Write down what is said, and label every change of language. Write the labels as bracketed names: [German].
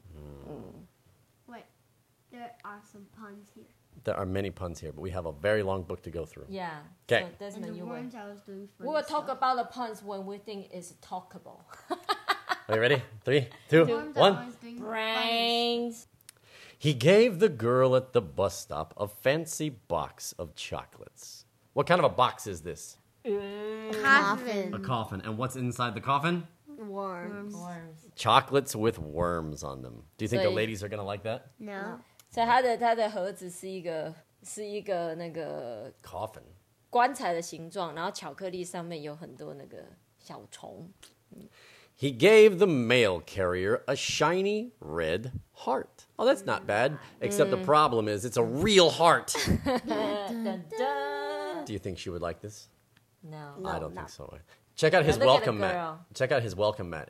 [English] Mm. Wait, there are some puns here. There are many puns here, but we have a very long book to go through. Yeah. Okay. So Desmond, you were. We will talk about the puns when we think it's talkable. Are you ready? Three, two, one. Brains. He gave the girl at the bus stop a fancy box of chocolates. What kind of a box is this? Coffin. A coffin. And what's inside the coffin? Worms. Chocolates with worms on them. Do you think the ladies are going to like that? No. [Chinese] 所以他的盒子是一个那个 [English] coffin [Chinese] 棺材的形状，然后巧克力上面有很多那个小虫。 [English] He gave the mail carrier a shiny red heart. Oh, that's not bad. Except the problem is it's a real heart. Do you think she would like this? No, I don't think so. Check out his welcome mat. Check out his welcome mat.